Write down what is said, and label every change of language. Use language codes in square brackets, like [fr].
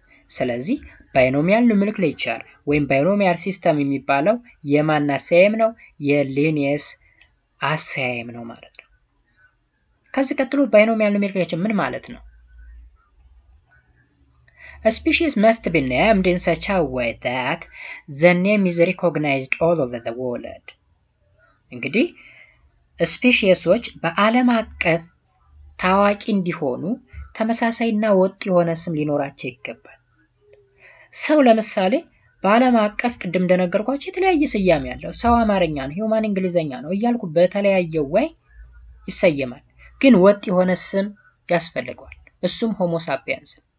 [am] ስለዚህ ባይኖሚያል ኖሜንክሌቸር ወይም ባይኖሚያል ሲስተም የሚባለው የማን አሳየም ነው? የሊኒየስ አሳየም ነው ማለት ነው። ከዚህ ቀጥሎ ባይኖሚያል ኖሜንክሌቸር ምን ማለት ነው? [en] A species must be named in such a way that the name is recognized all over the world. [am] እንግዲህ ስፒሺየሶች በዓለም አቀፍ ታዋቂ እንዲሆኑ ተመሳሳይና ወጥ የሆነ ስም ሊኖራቸው ይገባል። ሰው ለምሳሌ በዓለም አቀፍ ቅድም እንደነገርኳችሁ የተለያየ ስያሜ ያለው ሰው አማርኛ ነው ሂውማን እንግሊዘኛ ነው ይያልኩ በተለያየ ወይ ይሰየማል። ግን ወጥ የሆነ ስም ያስፈልጋል። እሱም ሆሞ ሳፒየንስ።